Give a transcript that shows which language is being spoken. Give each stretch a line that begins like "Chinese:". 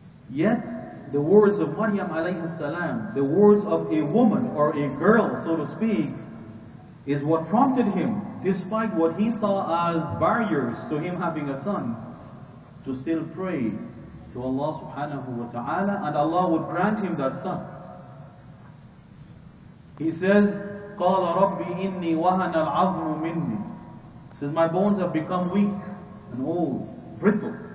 English: Yet, the words of Maryam alayhi salam, the words of a woman or a girl, so to speak, is what prompted him, despite what he saw as barriers to him having a son, to still pray to Allah subhanahu wa ta'ala, and Allah would grant him that son. He says,
Arabic: قَالَ رَبِّ إِنِّي وَهَنَ الْعَظْمُ مِنِّي.
English: He says, my bones have become weak and old, brittle.